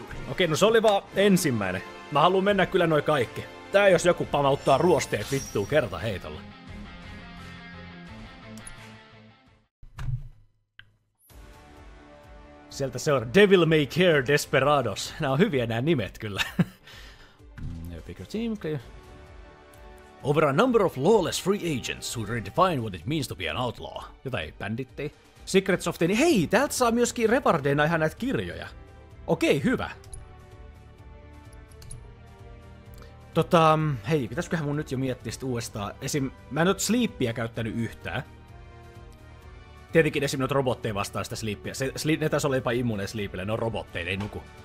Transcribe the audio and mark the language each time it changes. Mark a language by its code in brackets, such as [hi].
[fi] Okei, no se oli vaan ensimmäinen. Mä haluun mennä kyllä noi kaikki. Tää jos joku pamauttaa ruosteet vittuun kertaheitolla. Sieltä seuraa Devil May Care Desperados. Nää on hyviä nää nimet kyllä. [en] Bigger team, clear. Over a number of lawless free agents who redefine what it means to be an outlaw. [fi] Jotain banditti. Secrets of the... Hei, täältä saa myöskin Revardeena ihan näitä kirjoja. Okei, hyvä. Hei, pitäisköhän mun nyt jo miettiä sitä uudestaan. Esim, mä en oo sleepiä käyttänyt yhtään. Tietenkin esim noita robotteja vastaan sitä sleepiä. Ne tässä oli jopa immune sleepille, ne on robotteja, ne ei nuku.